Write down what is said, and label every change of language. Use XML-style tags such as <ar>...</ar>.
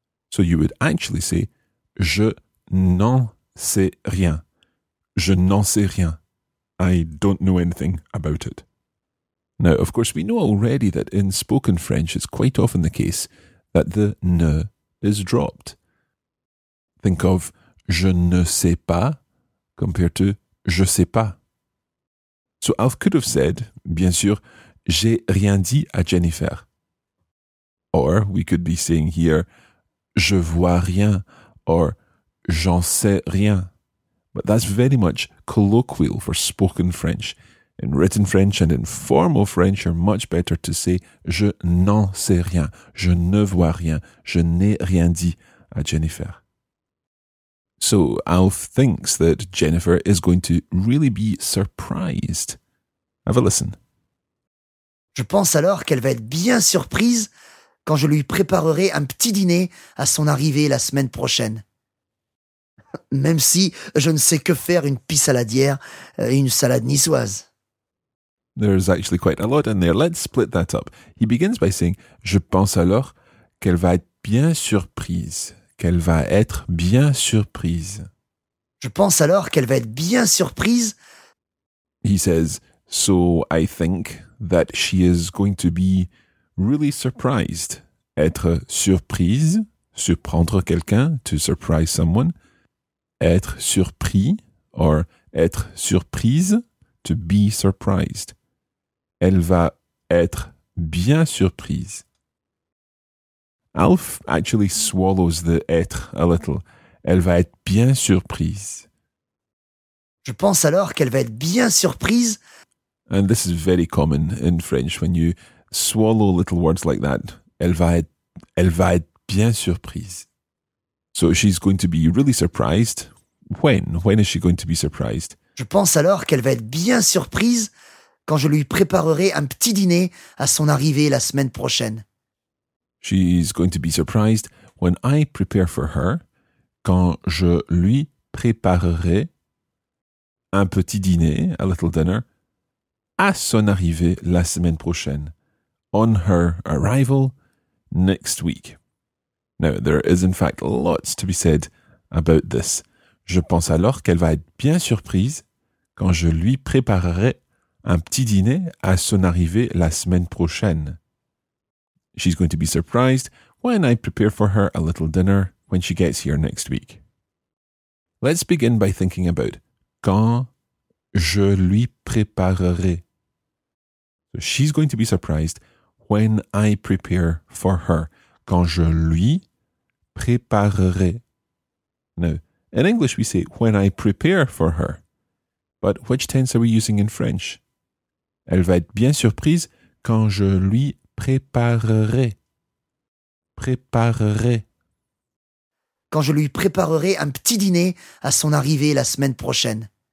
<en>So you would actually say</en> <fr>je n'en sais rien. Je n'en sais rien.</fr> <en>I don't know anything about it. Now, of course, we know already that in spoken French, it's quite often the case that the ne is dropped. Think of</en> <fr>je ne sais pas</fr> <en>compared to</en> <fr>je sais pas.</fr> <en>So Alf could have said,</en> <fr>bien sûr, j'ai rien dit à Jennifer.</fr> <en>Or we could be saying here,</en> <fr>je vois rien,</fr> <en>or</en> <fr>j'en sais rien.</fr> <en>But that's very much colloquial for spoken French. In written French and in formal French, you're much better to say</en> <fr>je n'en sais rien, je ne vois rien, je n'ai rien dit à Jennifer.</fr> <en>So Alf thinks that Jennifer is going to really be surprised. Have a listen.</en> <fr>Je pense alors qu'elle va être bien surprise quand je lui préparerai un petit dîner à son arrivée la semaine prochaine. Même si je ne sais que faire une pie saladière et une salade niçoise.</fr> <en>There's actually quite a lot in there. Let's split that up. He begins by saying,</en> <fr>je pense alors qu'elle va être bien surprise. Qu'elle va être bien surprise. Je pense alors qu'elle va être bien surprise.</fr> <en>He says, so I think that she is going to be really surprised.</en> <fr>Être surprise, surprendre quelqu'un,</fr> <en>to surprise someone.</en> <fr>Être surpris, or être surprise,</fr> <en>to be surprised.</en> <fr>Elle va être bien surprise.</fr> <en>Alf actually swallows the être a little.</en> <fr>Elle va être bien surprise. Je pense alors qu'elle va être bien surprise.</fr> <en>And this is very common in French when you swallow little words like that.</en> <fr>Elle va être bien surprise.</fr> <en>So she's going to be really surprised. When is she going to be surprised?</en> <fr>Je pense alors qu'elle va être bien surprise quand je lui préparerai un petit dîner à son arrivée la semaine prochaine.</fr> <en>She's going to be surprised when I prepare for her,</en> <fr>quand je lui préparerai un petit dîner,</fr> <en>a little dinner,</en> <fr>à son arrivée la semaine prochaine.</fr> <en>On her arrival next week. Now, there is in fact lots to be said about this.</en> <fr>Je pense alors qu'elle va être bien surprise quand je lui préparerai un petit dîner à son arrivée la semaine prochaine.</fr> <en>She's going to be surprised when I prepare for her a little dinner when she gets here next week. Let's begin by thinking about quand je lui préparerai. So she's going to be surprised when I prepare for her.</en> <fr>Quand je lui préparerai.</fr> <en>Now, in English we say when I prepare for her. But which tense are we using in French?</en> <fr>Elle va être bien surprise quand je lui préparerai. Préparerai. Quand je lui préparerai un petit dîner à son arrivée la semaine prochaine.</fr>